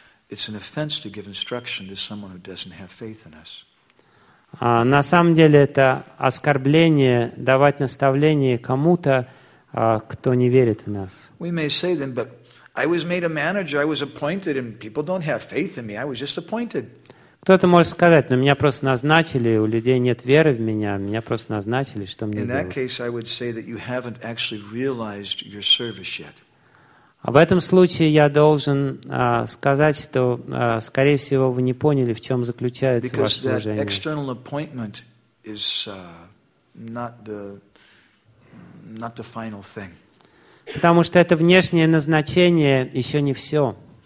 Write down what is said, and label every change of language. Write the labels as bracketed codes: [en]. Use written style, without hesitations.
[en] It's an offense to give instruction to someone who doesn't have faith in us. [ru] На самом деле это оскорбление давать наставление кому-то, кто не верит в нас. [en] We may say then, but I was made a manager, I was appointed, and people don't have faith in me. I was just appointed. [ru] Кто-то может сказать, но меня просто назначили, у людей нет веры в меня, меня просто назначили, что мне делать? [en] In that case, I would say that you haven't actually realized your service yet. [ru] В этом случае я должен сказать, что, скорее всего, вы не поняли, в чем заключается [en] Because [ru] ваше служение. [en] That external appointment is not the final thing. [ru] Потому что это внешнее назначение еще не все.